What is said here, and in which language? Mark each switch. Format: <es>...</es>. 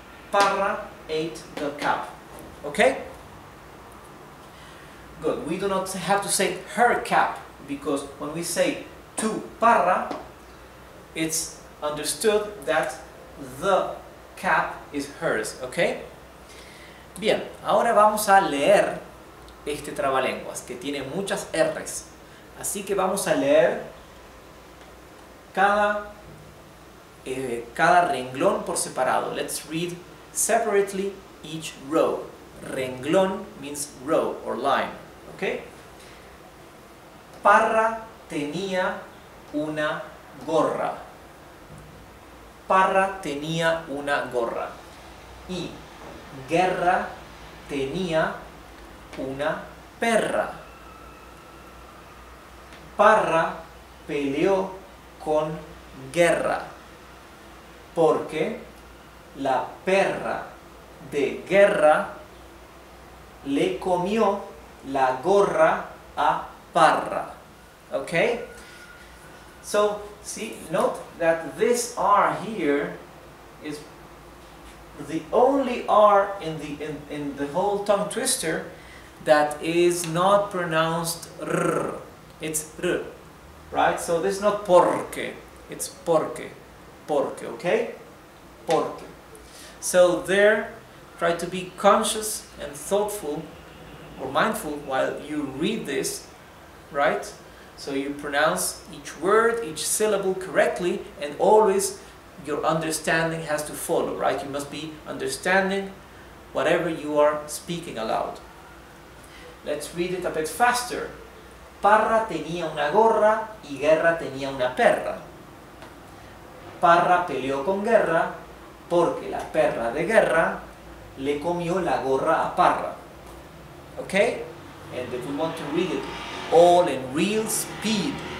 <en>Parra ate the cap. Okay? Good. We do not have to say her cap, because when we say to Parra, it's understood that the cap is hers. Okay? Bien.</en> <es>Ahora vamos a leer este trabalenguas, que tiene muchas R's. Así que vamos a leer cada renglón por separado.</es> <en>Let's read separately each row. Renglón means row or line, okay?</en> <es>Parra tenía una gorra. Parra tenía una gorra. Y Guerra tenía una perra. Parra peleó con Guerra porque la perra de Guerra le comió la gorra a Parra.</es> <en>Okay? So, see, note that this R here is the only R in the whole tongue twister that is not pronounced R. It's R. Right? So this is not porque. It's porque. Porque, okay? Porque. So there, try to be conscious and thoughtful or mindful while you read this, right? So you pronounce each word, each syllable correctly, and always your understanding has to follow, right? You must be understanding whatever you are speaking aloud. Let's read it a bit faster.</en> <es>Parra tenía una gorra y Guerra tenía una perra. Parra peleó con Guerra porque la perra de Guerra le comió la gorra a Parra. Okay?</es> <en>And if we want to read it all in real speed.</en>